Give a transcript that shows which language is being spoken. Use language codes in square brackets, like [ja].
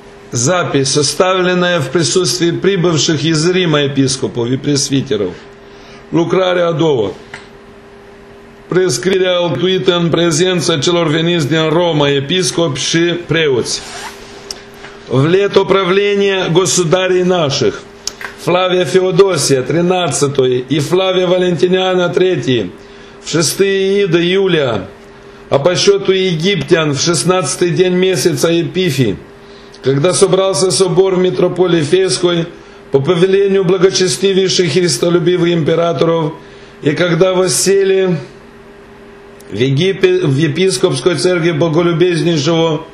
[ru] Запись, составленная в присутствии прибывших из Рима епископов и пресвитеров. [ro] Lucrare a doua. Prescrierea altuită în prezența celor veniți din Roma, episcopi și preoți. [ru] В лето правления государей наших, Флавия Феодосия, 13-й, и Флавия Валентиниана, 3-й, в 6-е Иида, Юлия, а по счету египтян в 16-й день месяца Епифи, когда собрался собор в митрополии Фейской по повелению благочестивейших христолюбивых императоров, и когда воссели в Египет, в епископской церкви боголюбезнейшего